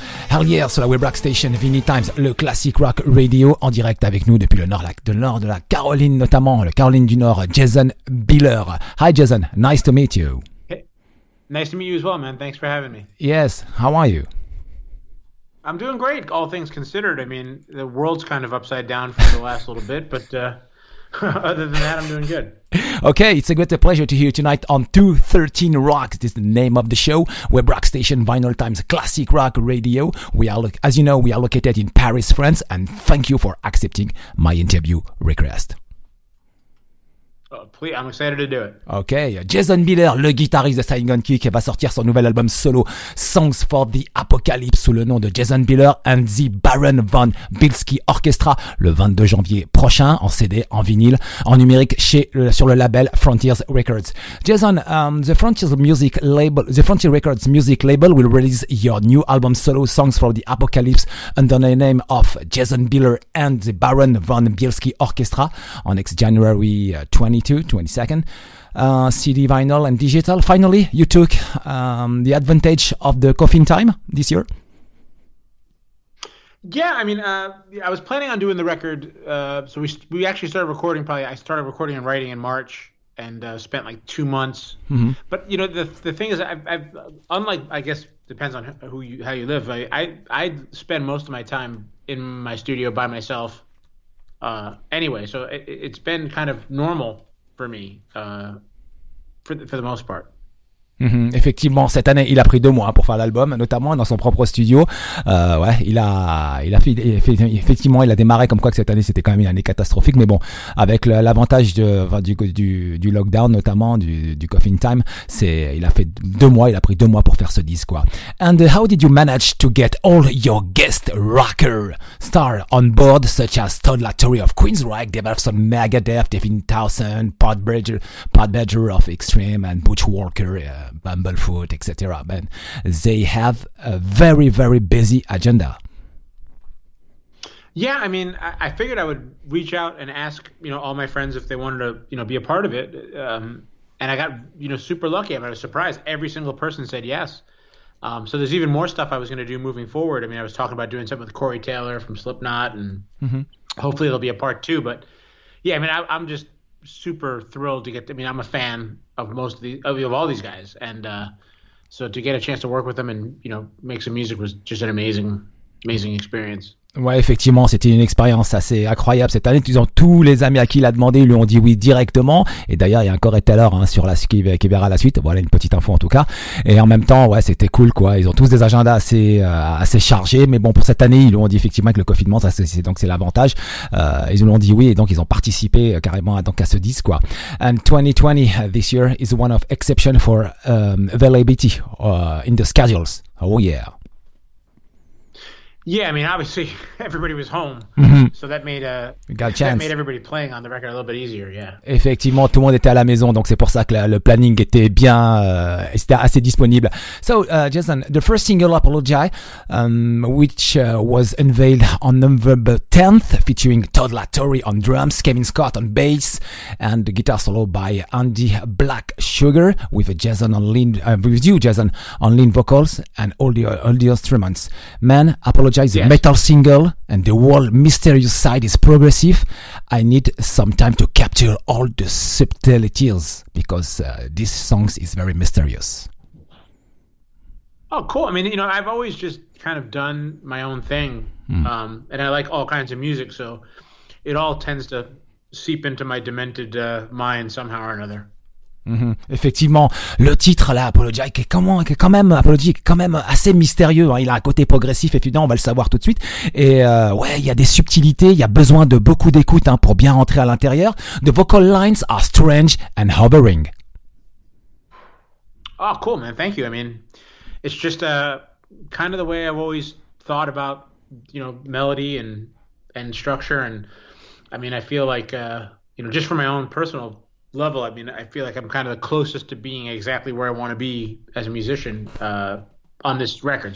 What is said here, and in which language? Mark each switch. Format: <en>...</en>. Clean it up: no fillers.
<en>Hell Yeah</en> <fr>sur la web rock station Vinny Times, le Classic Rock Radio en direct avec nous depuis le nord, de la Caroline, notamment le Caroline du Nord, Jason Biller.</fr> <en>Hi Jason, nice to meet you. Hey, nice to meet you as well, man. Thanks for having me. Yes, how are you? I'm doing great, all things considered. I mean, the world's kind of upside down for the last little bit, but other than that, I'm doing good. Okay, it's a great pleasure to hear you tonight on 213 Rocks. This is the name of the show, Web Rock Station, Vinyl Times, Classic Rock Radio. We are, as you know, we are located in Paris, France, and thank you for accepting my interview request. Please, I'm excited to do it.</en> <fr>Okay, Jason Biller, le guitariste de Saigon Kick, va sortir son nouvel album solo, Songs for the Apocalypse, sous le nom de Jason Biller and the Baron von Bilski Orchestra, le 22 janvier prochain, en CD, en vinyle, en numérique, sur le label Frontiers Records.</fr> <en>Jason, the Frontiers Records music label will release your new album solo, Songs for the Apocalypse, under the name of Jason Biller and the Baron von Bilski Orchestra, on January 22nd, CD, vinyl, and digital. Finally, you took the advantage of the coffin time this year? Yeah, I mean, I was planning on doing the record. So we actually started recording, probably I started recording and writing in March and spent like 2 months. Mm-hmm. But, you know, the thing is, I've unlike, I guess, depends on who you, how you live, I spend most of my time in my studio by myself anyway. So it's been kind of normal for me, for the most part. Mm-hmm.</en> <fr>Effectivement, cette année, il a pris 2 mois pour faire l'album, notamment dans son propre studio. Ouais, effectivement, il a démarré comme quoi que cette année, c'était quand même une année catastrophique. Mais bon, avec l'avantage du lockdown, notamment du coffin time, il a fait 2 mois. Il a pris 2 mois pour faire ce disque, quoi.</fr> <en>And how did you manage to get all your guest rocker stars on board, such as Todd Latory of Queensryche, Devilson, Megadeth, Devin Townsend, Pat Badger of Extreme, and Butch Walker, Bumblefoot, etc. Man, they have a very, very busy agenda. Yeah, I mean, I figured I would reach out and ask, you know, all my friends if they wanted to, you know, be a part of it. And I got, you know, super lucky. I mean, I was surprised. Every single person said yes. So there's even more stuff I was going to do moving forward. I mean, I was talking about doing something with Corey Taylor from Slipknot, and mm-hmm. hopefully it'll be a part two. But yeah, I mean, I'm just super thrilled to get to, I mean, I'm a fan of most of all these guys, and so to get a chance to work with them and, you know, make some music was just an amazing experience.</en> <fr>Ouais, effectivement, c'était une expérience assez incroyable cette année. Disons, tous les amis à qui il a demandé, ils lui ont dit oui directement. Et d'ailleurs, il y a encore été alors, sur la suite qui verra la suite. Voilà une petite info en tout cas. Et en même temps, ouais, c'était cool, quoi. Ils ont tous des agendas assez chargés. Mais bon, pour cette année, ils lui ont dit effectivement que le confinement, ça, c'est l'avantage. Ils lui ont dit oui et donc ils ont participé carrément donc à ce disque, quoi.</fr> <en>And 2020 this year is one of exception for availability in the schedules. Oh yeah. Yeah, I mean, obviously everybody was home, mm-hmm. so that made everybody playing on the record a little bit easier. Yeah,</en> <fr>effectivement, tout le monde était à la maison, donc c'est pour ça que le planning était bien, c'était assez disponible.</fr> <en>So, Jason, the first single "Apologize," which was unveiled on November 10th, featuring Todd Latory on drums, Kevin Scott on bass, and the guitar solo by Andy Black Sugar, with Jason on lead, with you, Jason on lead vocals and all the instruments. Man, "Apologize." Is a metal single, and the world mysterious side is progressive. I need some time to capture all the subtleties because this song is very mysterious. Oh, cool. I mean, you know, I've always just kind of done my own thing, and I like all kinds of music, so it all tends to seep into my demented mind somehow or another. Mm-hmm.</en> <fr>Effectivement, le titre là, Apologize, est quand même assez mystérieux, hein. Il a un côté progressif, évidemment, on va le savoir tout de suite. Et ouais, il y a des subtilités, il y a besoin de beaucoup d'écoute, pour bien rentrer à l'intérieur.</fr> <en>The vocal lines are strange and hovering. Oh, cool, man. Thank you. I mean, it's just kind of the way I've always thought about, you know, melody and structure. And I mean, I feel like, you know, just for my own personal level, I mean, I feel like I'm kind of the closest to being exactly where I want to be as a musician, on this record.</en>